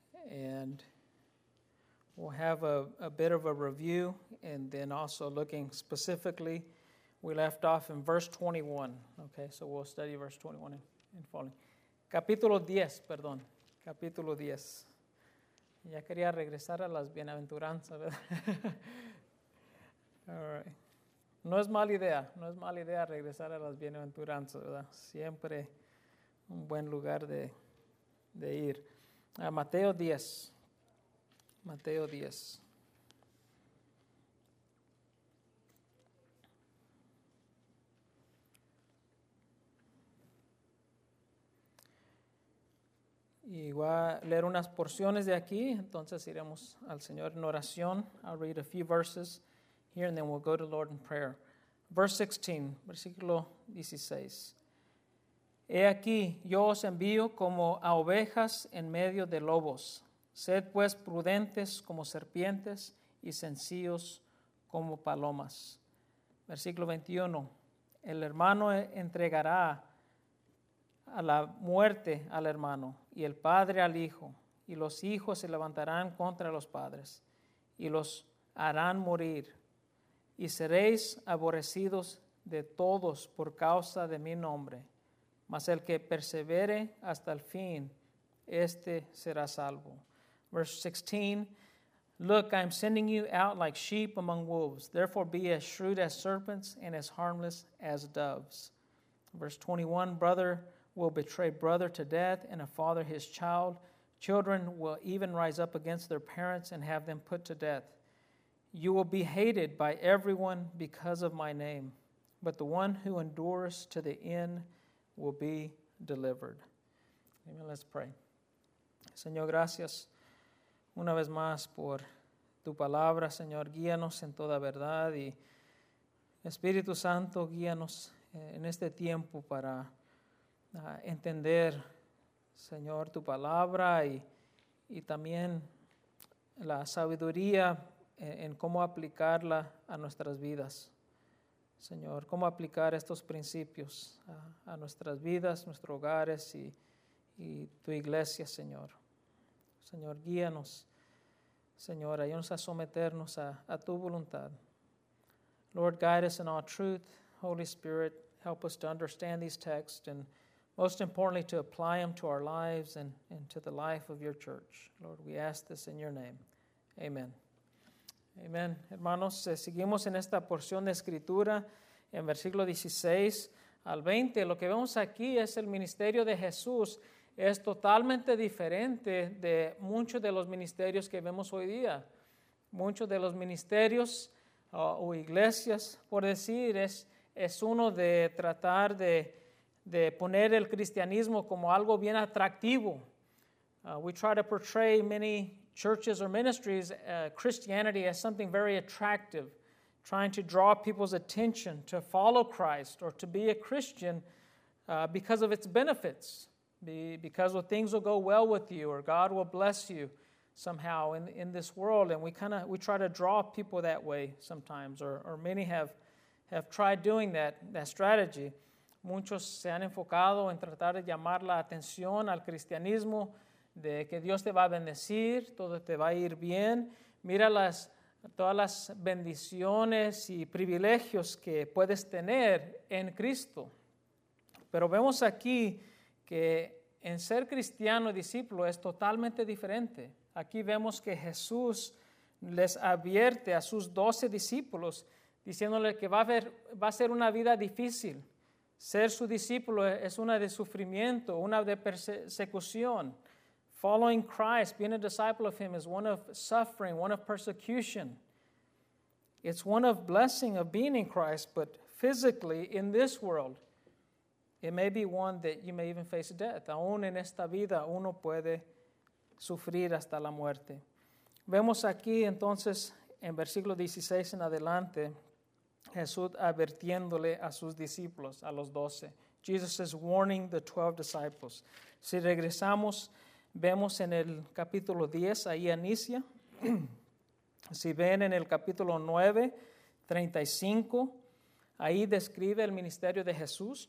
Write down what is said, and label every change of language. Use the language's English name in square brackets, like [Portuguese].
[English] And we'll have a bit of a review, and then also looking specifically, we left off in verse 21. Okay, so we'll study verse 21 and following. [Spanish] Capítulo 10, perdón. Capítulo 10. Ya quería regresar a las bienaventuranzas, ¿verdad? [English] All right. [Spanish] No es mala idea. No es mala idea regresar a las bienaventuranzas, ¿verdad? Siempre un buen lugar de ir. A Mateo 10. Mateo 10. Y voy a leer unas porciones de aquí, entonces iremos al Señor en oración. [English] I'll read a few verses here and then we'll go to the Lord in prayer. Verse 16, [Spanish] versículo 16. He aquí, yo os envío como a ovejas en medio de lobos. Sed pues prudentes como serpientes y sencillos como palomas. Versículo 21. El hermano entregará a la muerte al hermano, y el padre al hijo, y los hijos se levantarán contra los padres, y los harán morir, y seréis aborrecidos de todos por causa de mi nombre. Mas el que persevere hasta el fin, este será salvo. [English] Verse 16, look, I am sending you out like sheep among wolves. Therefore be as shrewd as serpents and as harmless as doves. Verse 21, brother will betray brother to death and a father his child. Children will even rise up against their parents and have them put to death. You will be hated by everyone because of my name. But the one who endures to the end will be delivered. Amen. Let's pray. [Spanish] Señor, gracias una vez más por tu palabra, Señor. Guíanos en toda verdad. Y Espíritu Santo, guíanos en este tiempo para entender, Señor, tu palabra y también la sabiduría en cómo aplicarla a nuestras vidas. Señor, cómo aplicar estos principios a nuestras vidas, nuestros hogares y tu iglesia, Señor. Señor, guíanos, Señor, ayúdanos a someternos a tu voluntad. [English] Lord, guide us in all truth. Holy Spirit, help us to understand these texts and most importantly to apply them to our lives and to the life of your church. Lord, we ask this in your name. Amen. Amén. [Spanish] Hermanos, seguimos en esta porción de Escritura, en versículo 16 al 20. Lo que vemos aquí es el ministerio de Jesús. Es totalmente diferente de muchos de los ministerios que vemos hoy día. Muchos de los ministerios o iglesias, por decir, es uno de tratar de poner el cristianismo como algo bien atractivo. [English] We try to portray many churches or ministries, Christianity as something very attractive, trying to draw people's attention to follow Christ or to be a Christian because of its benefits, because of things will go well with you or God will bless you somehow in this world. And we try to draw people that way sometimes, or many have tried doing that strategy. [Spanish] Muchos se han enfocado en tratar de llamar la atención al cristianismo, de que Dios te va a bendecir, todo te va a ir bien. Mira todas las bendiciones y privilegios que puedes tener en Cristo. Pero vemos aquí que en ser cristiano, discípulo, es totalmente diferente. Aquí vemos que Jesús les advierte a sus 12 discípulos, diciéndoles que va a ser una vida difícil. Ser su discípulo es una de sufrimiento, una de persecución. [English] Following Christ, being a disciple of him, is one of suffering, one of persecution. It's one of blessing, of being in Christ, but physically, in this world, it may be one that you may even face death. [Spanish] Aún en esta vida, uno puede sufrir hasta la muerte. Vemos aquí, entonces, en versículo 16 en adelante, Jesús advirtiéndole a sus discípulos, a los 12. [English] Jesus is warning the 12 disciples. [Spanish] Si regresamos, vemos en el capítulo 10, ahí inicia. Si ven en el capítulo 9, 35, ahí describe el ministerio de Jesús.